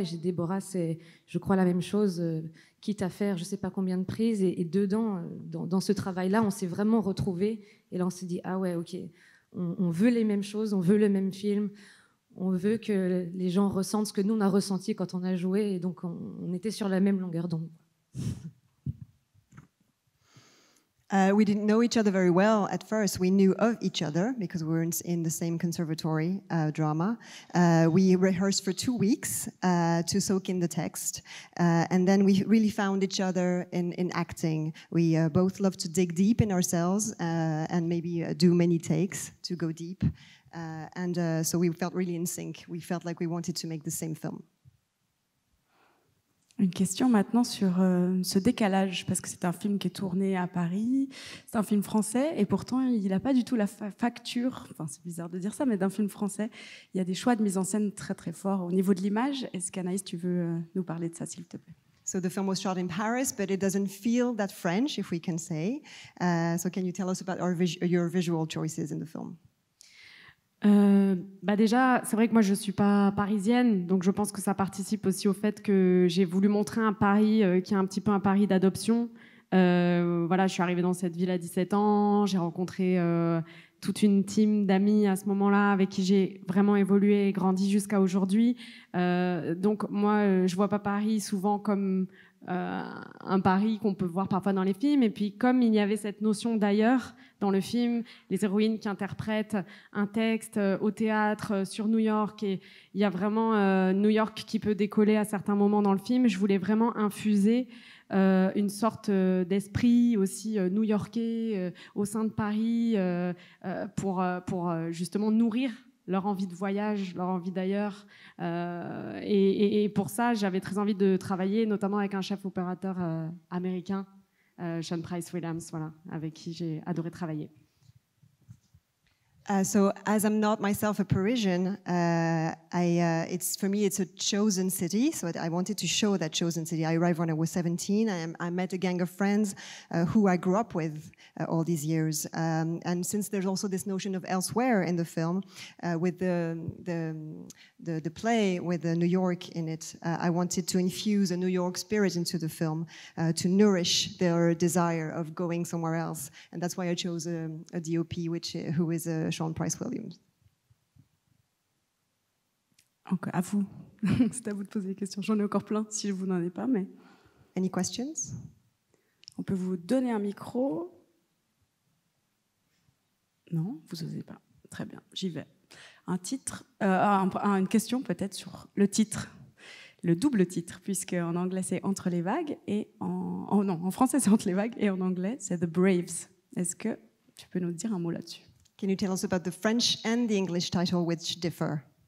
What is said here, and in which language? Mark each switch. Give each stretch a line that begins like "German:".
French: Et chez Déborah, c'est, je crois, la même chose. Quitte à faire, je sais pas combien de prises, et dedans, dans ce travail-là, on s'est vraiment retrouvé. Et là, on s'est dit, ah ouais, ok, on veut les mêmes choses, on veut le même film, on veut que les gens ressentent ce que nous on a ressenti quand on a joué. Et donc, on était sur la même longueur d'onde.
English: We didn't know each other very well at first. We knew of each other because we weren't in the same conservatory drama. We rehearsed for 2 weeks to soak in the text. And then we really found each other in acting. We both love to dig deep in ourselves and maybe do many takes to go deep. So we felt really in sync. We felt like we wanted to make the same film.
French: Une question maintenant sur ce décalage, parce que c'est un film qui est tourné à Paris, c'est un film français, et pourtant il n'a pas du tout la facture, enfin c'est bizarre de dire ça, mais d'un film français, il y a des choix de mise en scène très très forts au niveau de l'image. Est-ce qu'Anaïs, tu veux nous parler de ça, s'il te plaît?
English: So the film was shot in Paris, but it doesn't feel that French, if we can say. So can you tell us about your visual choices in the film?
French: Déjà, c'est vrai que moi je suis pas parisienne, donc je pense que ça participe aussi au fait que j'ai voulu montrer un Paris qui est un petit peu un Paris d'adoption. Voilà, je suis arrivée dans cette ville à 17 ans, j'ai rencontré toute une team d'amis à ce moment-là avec qui j'ai vraiment évolué et grandi jusqu'à aujourd'hui. Donc moi, je vois pas Paris souvent comme un Paris qu'on peut voir parfois dans les films. Et puis, comme il y avait cette notion d'ailleurs dans le film, les héroïnes qui interprètent un texte au théâtre sur New York, et il y a vraiment New York qui peut décoller à certains moments dans le film, je voulais vraiment infuser une sorte d'esprit aussi new-yorkais au sein de Paris pour justement nourrir leur envie de voyage, leur envie d'ailleurs. Et pour ça, j'avais très envie de travailler, notamment avec un chef opérateur américain, Sean Price Williams, voilà, avec qui j'ai adoré travailler.
English: So as I'm not myself a Parisian, it's for me it's a chosen city. So I wanted to show that chosen city. I arrived when I was 17. I met a gang of friends who I grew up with all these years. And since there's also this notion of elsewhere in the film, with the play with the New York in it, I wanted to infuse a New York spirit into the film to nourish their desire of going somewhere else. And that's why I chose a DOP, who is a Sean Price Williams.
French: Okay, à vous. C'est à vous de poser des questions. J'en ai encore plein si vous n'en avez pas, mais.
English: Any questions?
French: On peut vous donner un micro. Non, vous n'osez pas. Très bien, j'y vais. Un titre, une question peut-être sur le titre, le double titre, puisque en anglais c'est Entre les vagues et en français c'est Entre les vagues et en anglais c'est The Braves. Est-ce que tu peux nous dire un mot là-dessus?
English: Can you tell us about the French and the English title, which differ?